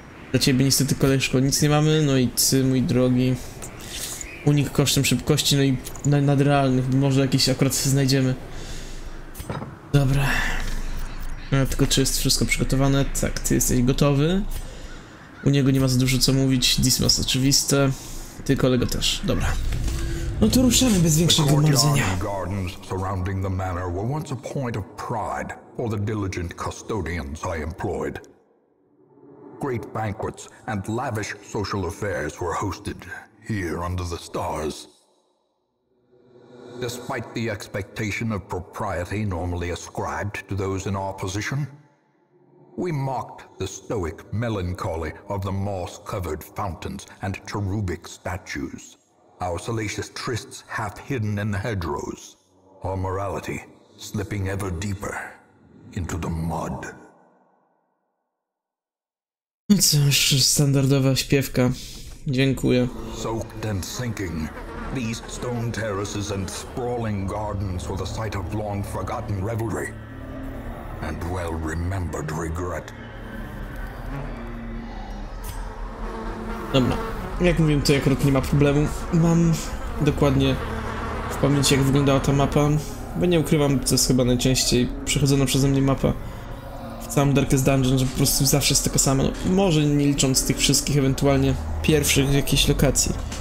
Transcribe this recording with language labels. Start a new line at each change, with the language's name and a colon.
Polish: Dla ciebie niestety kolej szkoły nic nie mamy. No i ty, mój drogi, unik kosztem szybkości, no i nadrealnych, może jakieś akurat znajdziemy. Dobra. Tylko czy jest wszystko przygotowane? Tak, ty jesteś gotowy. U niego nie ma za dużo co mówić, Dismas oczywiste. Ty kolego też, dobra. No to ruszamy bez większego marzenia.
English: Gardens surrounding the manor were once a point of pride for the diligent custodians I employed. Great banquets and lavish social affairs were hosted here under the stars. Despite the expectation of propriety normally ascribed to those in our position, We mocked the stoic melancholy of the moss-covered fountains and cherubic statues, our salacious trysts half-hidden in the hedgerows, our morality slipping ever deeper into the mud.
Polish: Cóż, standardowa śpiewka. Dziękuję.
English: Soaked and sinking, these stone terraces and sprawling gardens were the site of long-forgotten revelry and well-remembered regret.
Polish: Dobra. Jak mówiłem, tutaj akurat nie ma problemu. Mam dokładnie w pamięci, jak wyglądała ta mapa. Bo nie ukrywam, to jest chyba najczęściej przechodzona przeze mnie mapa w całym Darkest Dungeon, że po prostu zawsze jest taka sama. No, może nie licząc tych wszystkich ewentualnie pierwszych jakichś lokacji.